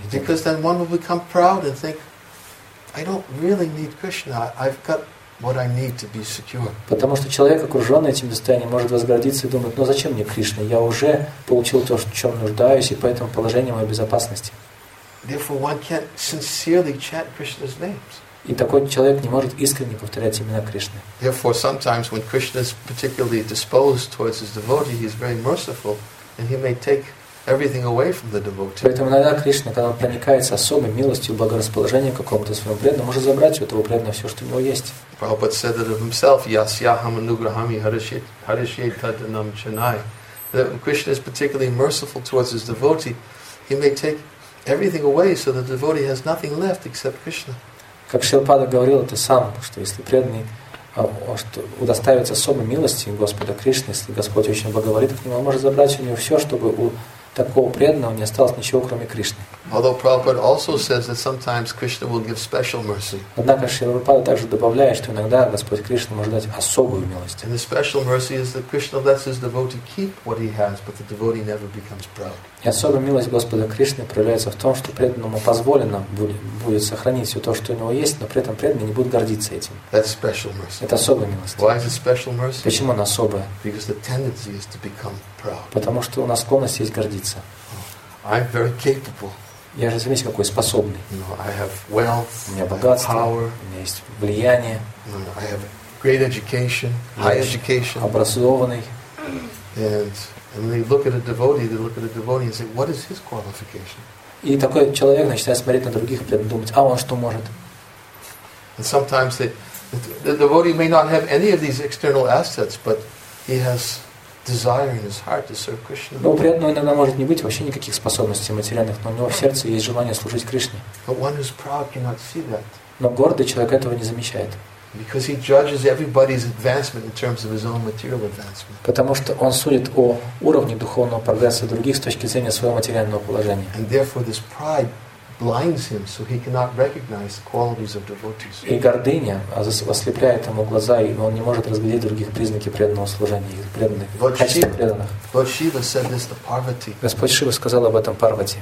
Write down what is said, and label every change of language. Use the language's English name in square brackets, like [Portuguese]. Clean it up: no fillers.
[English] Because then one will become proud and think, I don't really need Krishna. I've got what I need to be secure. [Russian] Потому что человек, окруженный этим достоянием, может возгордиться и думать, ну зачем мне Кришна? Я уже получил то, в чем нуждаюсь, и поэтому положение моей безопасности. [English] Therefore, one can't sincerely chant Krishna's names. [Russian] И такой человек не может искренне повторять имена Кришны. [English] Therefore, sometimes when Krishna is particularly disposed towards his devotee, he is very merciful, and he may take everything away from the devotee. [Russian] Поэтому иногда Кришна, когда он проникается особой милостью, благорасположением к какому-то своему преданному, может забрать у этого преданного все, что у него есть. [English] Prabhupada said that of himself, [Sanskrit] yasyaham anugrahami harishe tadanam chanai. [English] That when Krishna is particularly merciful towards his devotee, he may take everything away, so the devotee has nothing left except Krishna. [Russian] Как Шилпада говорил это сам, что если преданный удостоится особой милости Господа Кришны, если Господь очень благоволит к нему, он может забрать у него все, чтобы у такого преданного не осталось ничего, кроме Кришны. [English] Although Prabhupada also says that sometimes Krishna will give special mercy. [Russian] Однако Шилпада также добавляет, что иногда Господь Кришна может дать особую милость. [English] And the special mercy is that Krishna lets his devotee keep what he has, but the devotee never becomes proud. [Russian] И особая милость Господа Кришны проявляется в том, что преданному позволено будет сохранить все то, что у него есть, но при этом преданный не будет гордиться этим. [English] That's special mercy. [Russian] Это особая милость. [English] Why is it special mercy? [Russian] Почему она особая? [English] Because the tendency is to become proud. [Russian] Потому что у нас склонность есть гордиться. [English] I'm very capable. [Russian] Я же, смотрите, какой способный. [English] No, I have wealth, [Russian] у меня богатство, [English] I have power, [Russian] у меня есть влияние. [English] No, I have great education, high education. [Russian] Образованный. [English] And they look at a devotee, they look at a devotee and say, what is his qualification? [Russian] И такой человек начинает смотреть на других и думать, а он что может? [English] And sometimes the devotee may not have any of these external assets, but he has desire in his heart to serve Krishna. [Russian] Но преданного иногда может не быть вообще никаких способностей материальных, но у него в сердце есть желание служить Кришне. [English] But one who's proud cannot see that. [Russian] Но гордый человек этого не замечает. [English] Because he judges everybody's advancement in terms of his own material advancement. [Russian] Потому что он судит о уровне духовного прогресса других с точки зрения своего материального положения. [English] And therefore, this pride blinds him, so he cannot recognize the qualities of devotees. [Russian] И гордыня ослепляет ему глаза, и он не может разглядеть других признаков преданного служения и преданных качеств преданных. [English] Lord Shiva said this to Parvati. [Russian] Господь Шива сказал об этом Парвати.